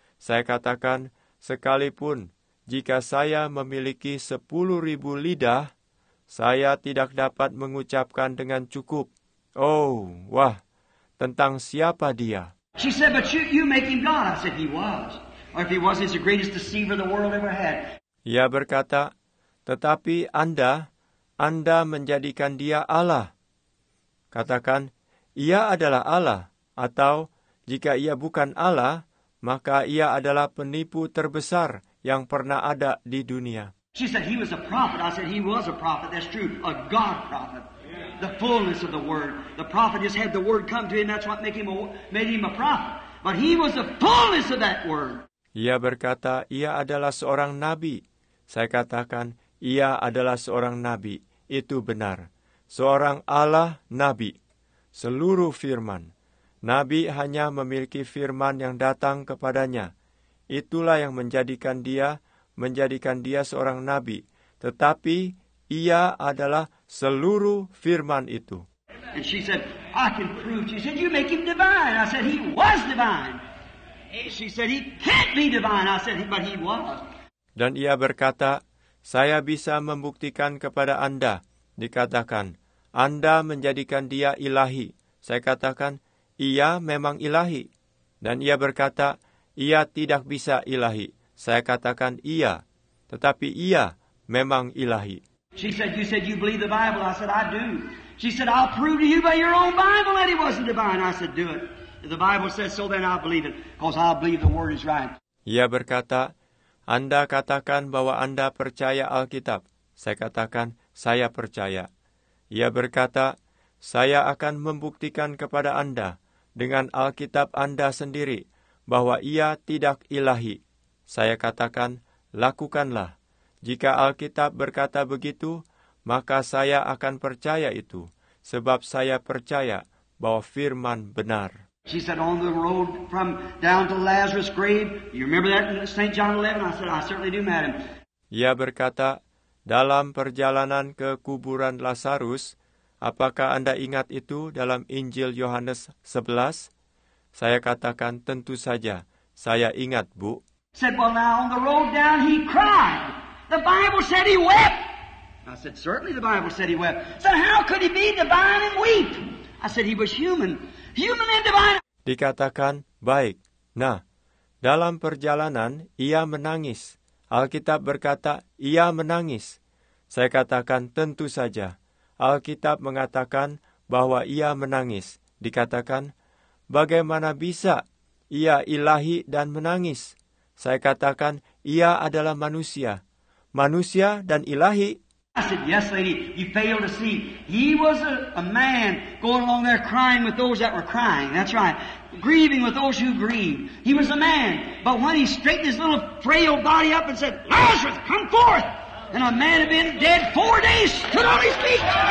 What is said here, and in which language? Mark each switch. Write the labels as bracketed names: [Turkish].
[Indonesian] Saya katakan, sekalipun jika saya memiliki 10,000 lidah, saya tidak dapat mengucapkan dengan cukup, oh, wah, tentang siapa dia. [English] She said, but you make him God. I said, he was. Or if he was, he's the greatest deceiver the world ever had. [Indonesian] Ia berkata, tetapi Anda menjadikan dia Allah. Katakan, ia adalah Allah. Atau, jika ia bukan Allah, maka ia adalah penipu terbesar yang pernah ada di dunia. [English] She said, he was a prophet. I said, he was a prophet. That's true. A God prophet. The fullness of the word. The prophet just had the word come to him. That's what made him a prophet. But he was the fullness of that word. [Indonesian] Ia berkata, ia adalah seorang nabi. Saya katakan, ia adalah seorang nabi. Itu benar. Seorang Allah nabi. Seluruh firman. Nabi hanya memiliki firman yang datang kepadanya. Itulah yang menjadikan dia seorang nabi. Tetapi ia adalah seluruh firman itu. [English] And she said, I can prove. She said, you make him divine. I said, he was divine. She said, he can't be divine. I said, but he was. [Indonesian] Dan ia berkata, saya bisa membuktikan kepada Anda. Dikatakan, Anda menjadikan dia ilahi. Saya katakan, ia memang ilahi. Dan ia berkata, ia tidak bisa ilahi. Saya katakan, ia. Tetapi ia memang ilahi. [English] She said, you believe the Bible. I said, I do. She said, I'll prove to you by your own Bible that he wasn't divine. I said, do it. If the Bible says so, then I believe it, because I believe the word is right. [Indonesian] Ia berkata, Anda katakan bahwa Anda percaya Alkitab. Saya katakan, saya percaya. Ia berkata, saya akan membuktikan kepada Anda dengan Alkitab Anda sendiri bahwa ia tidak ilahi. Saya katakan, lakukanlah. Jika Alkitab berkata begitu, maka saya akan percaya itu, sebab saya percaya bahwa firman benar. [English] She said, on the road from down to Lazarus' grave, you remember that in St. John 11? I said, I certainly do, madam. [Indonesian] Ia berkata, dalam perjalanan ke kuburan Lazarus, apakah Anda ingat itu dalam Injil Yohanes 11? Saya katakan, tentu saja, saya ingat, Bu. [English] Said, well, now on the road down, he cried. The Bible said he wept. I said, certainly the Bible said he wept. So how could he be divine and weep? I said, he was human. Human and divine. [Indonesian] Dikatakan, baik. Nah, dalam perjalanan, ia menangis. Alkitab berkata, ia menangis. Saya katakan, tentu saja. Alkitab mengatakan bahwa ia menangis. Dikatakan, bagaimana bisa ia ilahi dan menangis? Saya katakan, ia adalah manusia. Manusia dan ilahi. [English] I said, yes, lady, you fail to see. He was a man going along there crying with those that were crying. That's right. Grieving with those who grieved. He was a man. But when he straightened his little frail body up and said, Lazarus, come forth! And a man had been dead 4 days, stood on his feet.